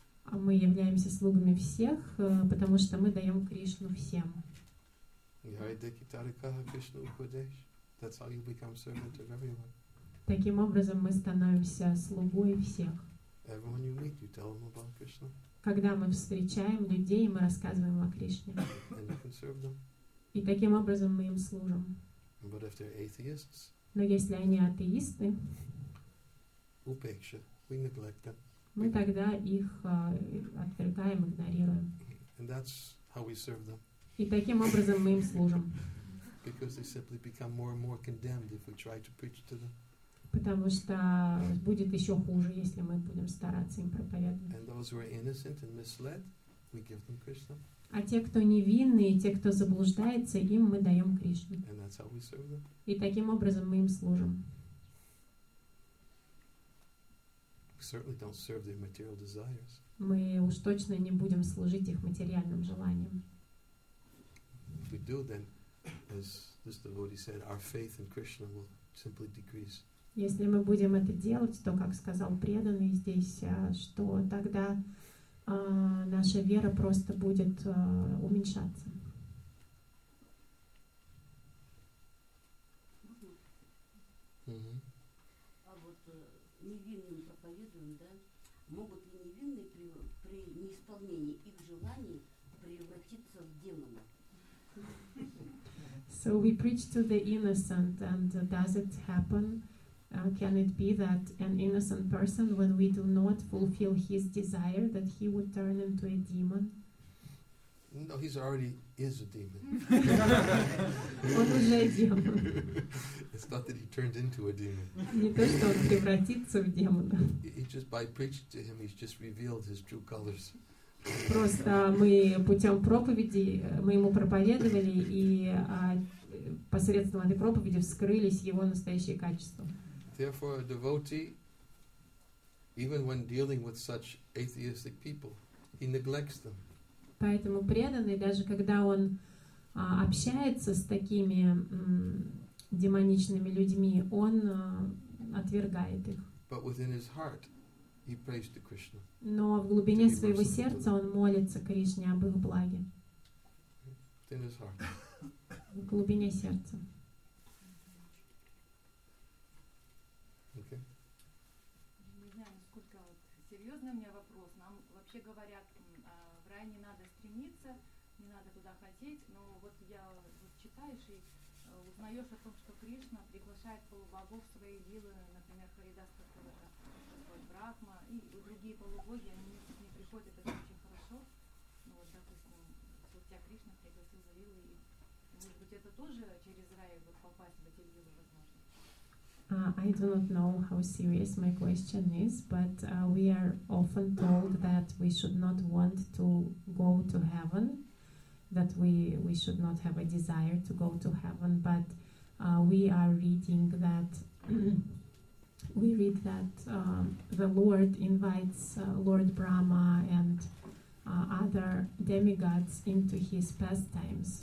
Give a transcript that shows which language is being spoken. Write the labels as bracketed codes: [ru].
[ru] Мы являемся слугами всех, потому что мы даем Кришну всем. [en] That's how you become servant of everyone. [ru] Таким образом мы становимся слугой всех. [en] Everyone you meet, you tell them about Krishna. [ru] Когда мы встречаем людей, мы рассказываем о Кришне. [en] And you can serve them. [ru] И таким образом мы им служим. [en] But if they're atheists, [ru] но если они атеисты, [en] upeksha, we neglect them. [ru] Мы тогда их отвергаем, игнорируем. [en] And that's how we serve them. [ru] И таким образом мы им служим. [en] Because they simply become more and more condemned if we try to preach to them. [ru] Потому что будет еще хуже, если мы будем стараться им проповедовать. [en] And those who are innocent and misled, we give them Krishna. [ru] А те, кто невинные, те, кто заблуждается, им мы даем Кришну. [en] And that's how we serve them. [ru] И таким образом мы им служим. [en] We certainly don't serve their material desires. [ru] Мы уж точно не будем служить их материальным желаниям. [en] If we do, then, as this devotee said, our faith in Krishna will simply decrease. [ru] Если мы будем это делать, то, как сказал преданный здесь, что тогда наша вера просто будет уменьшаться. А вот невинным проповедуем, да, могут ли невинные при неисполнении их желаний превратиться в демонов? [en] So we preach to the innocent, and does it happen? Can it be that an innocent person, when we do not fulfill his desire, that he would turn into a demon? No, he's already is a demon. [ru] Он уже демон. [en] It's not that he turned into a demon. [ru] Не то, что он превратится в демона. [en] He just by preaching to him, he's just revealed his true colors. [ru] Просто мы путем проповеди, мы ему проповедовали, и посредством этой проповеди вскрылись его настоящие качества. [en] Therefore, a devotee, even when dealing with such atheistic people, he neglects them. [ru] Поэтому преданный, даже когда он общается с такими демоничными людьми, он отвергает их. [en] But within his heart, he prays to Krishna. [ru] Но в глубине своего сердца он молится Кришне об их благе. [en] In his heart. [ru] В глубине сердца. [en] Okay. [ru] Не знаю, насколько вот серьезный у меня вопрос. Нам вообще говорят, в рай не надо стремиться, не надо туда хотеть, но вот я вот читаешь и узнаешь о том, что Кришна приглашает полубогов в свои лилы, например, Харидас, Брахма, и другие полубоги, они не приходят, это очень хорошо. Ну вот, допустим, вот тебя Кришна пригласил за лилы, и, может быть, это тоже через рай вот, попасть в эти лилы, возможно? [en] I do not know how serious my question is, but we are often told that we should not want to go to heaven, that we should not have a desire to go to heaven, but we are reading that we read that the Lord invites Lord Brahma and other demigods into his pastimes.